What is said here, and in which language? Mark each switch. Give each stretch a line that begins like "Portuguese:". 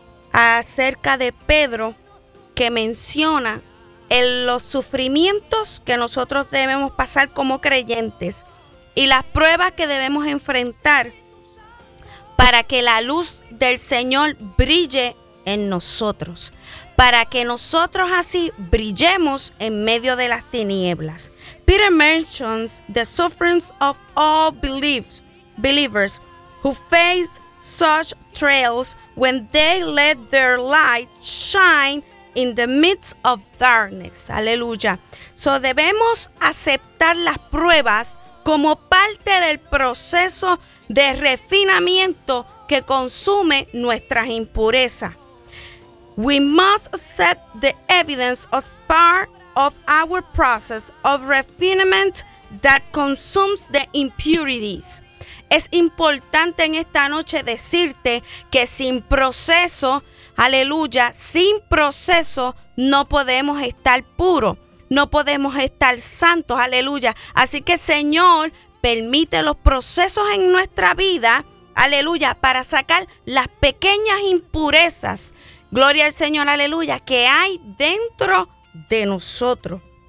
Spanish: acerca de Pedro, que menciona en los sufrimientos que nosotros debemos pasar como creyentes y las pruebas que debemos enfrentar para que la luz del Señor brille en nosotros, para que nosotros así brillemos en medio de las tinieblas.
English: Peter mentions the sufferings of all believers who face such trials when they let their light shine in the midst of darkness.
Spanish: Aleluya. So debemos aceptar las pruebas como parte del proceso de refinamiento que consume nuestras impurezas.
English: We must accept the evidence as part of our process of refinement that consumes the impurities.
Spanish: Es importante en esta noche decirte que sin proceso, aleluya, sin proceso no podemos estar puros, no podemos estar santos, aleluya. Así que Señor, permite los procesos en nuestra vida, aleluya, para sacar las pequeñas impurezas, gloria al Señor, aleluya, que hay dentro de nosotros.